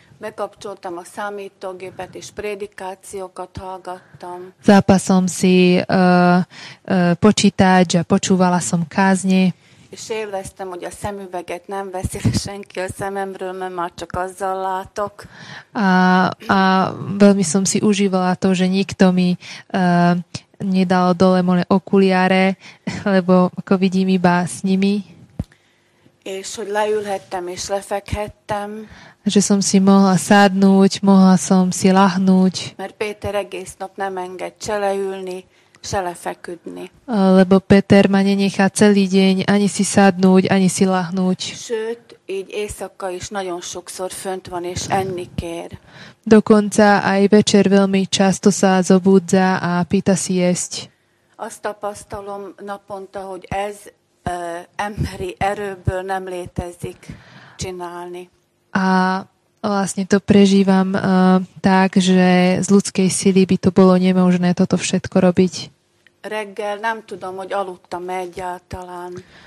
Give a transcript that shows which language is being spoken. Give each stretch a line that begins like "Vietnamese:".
Hungarian: Megkapcsoltam a számítógépet és prédikációkat hallgattam.
Slovak: Zapasom si počítač a počúvala som kázne.
Hungarian: És éreztem, hogy a szemüveget nem veszi senki a szememről, mert már csak azzal látok.
Slovak: A veľmi som si užívala to, že nikto mi nedal dole moje okuliare, lebo ako vidím iba s nimi.
Hungarian: És hogy leülhettem és lefekhettem.
Slovak: Že som si mohla sadnúť, mohla som si lahnúť.
Hungarian: Mert Péter egész nap nem enged se leülni, se lefeküdni.
Slovak: Lebo Péter ma nenechá celý deň ani si sadnúť, ani si lahnúť.
Hungarian: Sőt, így éjszaka is nagyon sokszor fönt van és enni kér.
Slovak: Dokonca aj večer veľmi často sa zobúdza a pýta si jesť.
Hungarian: Azt tapasztalom naponta, hogy ez emberi erőből nem létezik csinálni.
Slovak: A vlastne to prežívam tak, že z ľudskej sily by to bolo nemožné toto všetko robiť.
Hungarian: Reggel nem tudom, hogy aludtam egyáltalán.